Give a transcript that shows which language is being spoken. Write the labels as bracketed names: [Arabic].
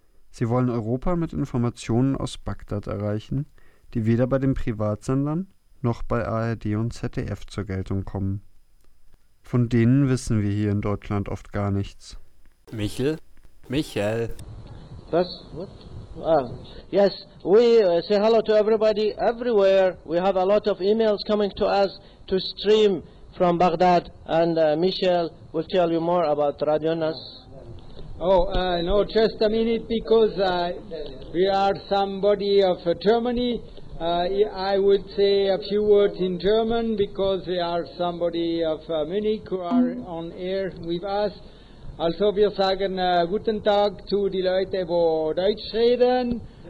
[German] Sie wollen Europa mit Informationen aus Bagdad erreichen, die weder bei den Privatsendern noch bei ARD und ZDF zur Geltung kommen. Von denen wissen wir hier in Deutschland oft gar nichts. Michel? Michel? Was? What? [English] Yes, we say hello to everybody everywhere. We have a lot of emails coming to us to stream from Baghdad. And Michel will tell you more about Radio Nas. Oh, no, just a minute, because we are somebody of Germany. I would say a few words in German because we are somebody of Munich who are on air with us. [German] Also, wir sagen guten Tag zu die Leute, wo Deutsch reden.